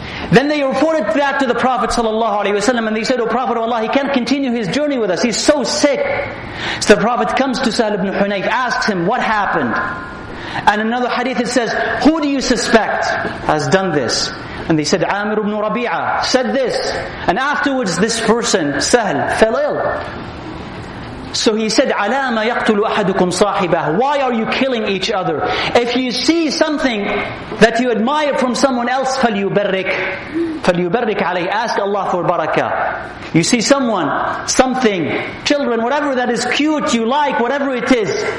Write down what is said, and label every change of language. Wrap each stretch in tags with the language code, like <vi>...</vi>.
<en>Then they reported that to the Prophet sallallahu alaihi wasallam, and they said, "O Prophet of Allah, he can't continue his journey with us. He's so sick." So the Prophet comes to Sahl ibn Hunayf, asks him, "What happened?" And another hadith it says, "Who do you suspect has done this?" And they said, "Amir ibn Rabi'ah said this." And afterwards, this person, Sahl, fell ill. So he said,</en> <ar>عَلَى مَا يَقْتُلُ أَحَدُكُمْ صَاحِبَهُ.</ar> <en>Why are you killing each other? If you see something that you admire from someone else,</en> <ar>فَلْيُبَرِّكْ عَلَيْهِ.</ar> <en>Ask Allah for barakah. You see someone, something, children, whatever that is cute, you like, whatever it is.</en>